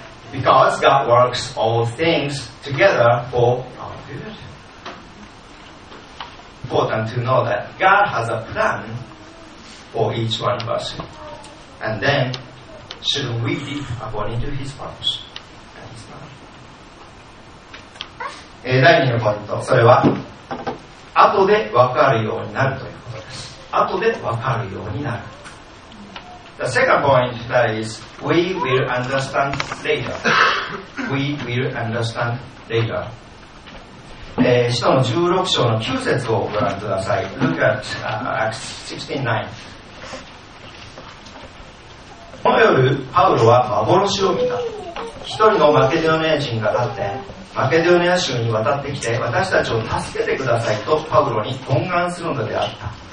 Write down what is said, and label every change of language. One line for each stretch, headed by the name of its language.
English: Because God works all things together for our good. Important to know that God has a plan for each one of us. And then, shouldn't we live according to His purpose and His plan?
Japanese: 第2のポイント、それは後で分かるようになるという。後で分かるようになる。
English: The second point that is we will understand later. We will understand later.
Japanese: 使徒の16章の9節をご覧ください。
English: Look at Acts 16:9.
Japanese: この夜パウロは幻を見た。一人のマケドニア人が立って、マケドニア州に渡ってきて私たちを助けてくださいとパウロに懇願するのであった。